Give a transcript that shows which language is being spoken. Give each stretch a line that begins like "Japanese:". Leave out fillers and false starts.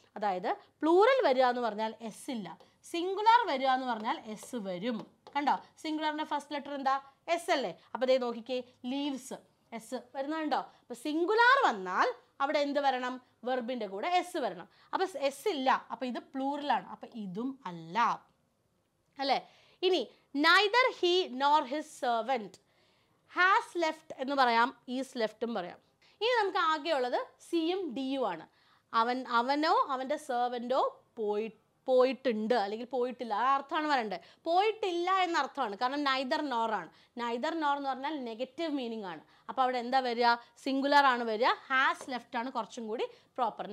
Malayalam: അതായത് പ്ലൂറൽ വരിക എന്ന് പറഞ്ഞാൽ എസ് ഇല്ല, സിംഗുലർ വരിക എന്ന് പറഞ്ഞാൽ എസ് വരും. കണ്ടോ, സിംഗുലറിൻ്റെ ഫസ്റ്റ് ലെറ്റർ എന്താ? എസ് അല്ലേ? അപ്പോൾ ദേ നോക്കിക്കേ, ലീവ്സ് എസ് വരുന്നുണ്ടോ? അപ്പോൾ സിംഗുലാർ വന്നാൽ അവിടെ എന്ത് വരണം? വെർബിൻ്റെ കൂടെ എസ് വരണം. അപ്പോൾ എസ് ഇല്ല, അപ്പോൾ ഇത് പ്ലൂറലാണ്, അപ്പോൾ ഇതും അല്ല, അല്ലേ? ഇനി
English: neither he nor his servant has left
Malayalam: എന്ന് പറയാം,
English: is left
Malayalam: ഉം പറയാം. ഇനി നമുക്ക് ആകെയുള്ളത് സിയും ഡിയും ആണ്. അവനോ അവൻ്റെ സെർവൻറ്റോ പോയിട്ടുണ്ട് അല്ലെങ്കിൽ പോയിട്ടില്ല, ആ അർത്ഥമാണ് പറയേണ്ടത്. പോയിട്ടില്ല എന്നർത്ഥമാണ്, കാരണം നൈദർ നോർ ആണ്. നൈദർ നോർ എന്ന് പറഞ്ഞാൽ നെഗറ്റീവ് മീനിങ് ആണ്. അപ്പോൾ അവിടെ എന്താ വരിക, സിംഗുലർ ആണ് വരിക. ഹാസ് ലെഫ്റ്റ് ആണ് കുറച്ചും കൂടി പ്രോപ്പർ.